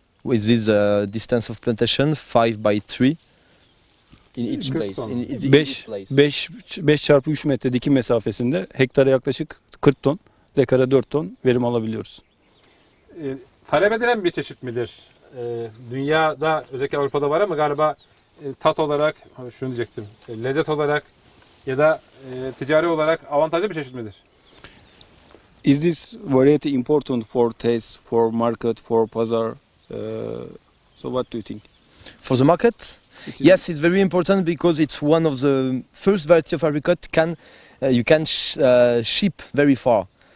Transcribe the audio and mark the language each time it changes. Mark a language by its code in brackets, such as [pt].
[en] With this distance of plantation, 5x3 in each place. In each place. [tr] 5x3 metre dikim mesafesinde hektara yaklaşık 40 ton, dekara 4 ton verim alabiliyoruz. Talep edilen bir çeşit midir? Dünyada, özellikle Avrupa'da var ama galiba tat olarak, şunu diyecektim, lezzet olarak ya da ticari olarak avantajlı bir çeşit midir? [en] Is this variety important for taste, for market, for pazar? So what do you think? For the market? Yes, it's very important because it's one of the first variety of apricot you can ship very far.